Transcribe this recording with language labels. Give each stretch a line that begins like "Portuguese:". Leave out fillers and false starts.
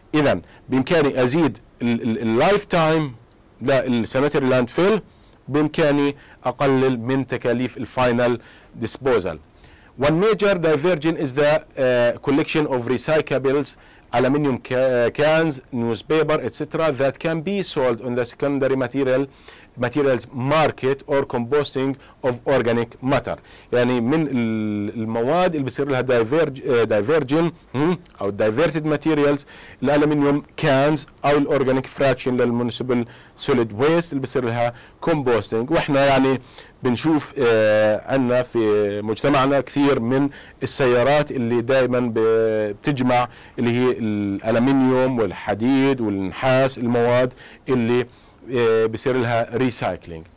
Arabic: اذا بامكاني ازيد اللايف تايم للسانيتري لاند فيل، بامكاني اقلل من تكاليف الفاينل ديسبوزال.
English: One major diversion is the collection of recyclables aluminum cans, newspaper, etc. that can be sold on the secondary materials market or composting of organic matter.
Arabic: يعني من المواد اللي بصير لها diverging أو diverted materials الألمنيوم cans أو الorganic fraction للmunicipal solid waste اللي بصير لها composting. وإحنا يعني بنشوف عنا في مجتمعنا كثير من السيارات اللي دائما بتجمع اللي هي الألمنيوم والحديد والنحاس، المواد اللي بيصير لها ريسايكلينج.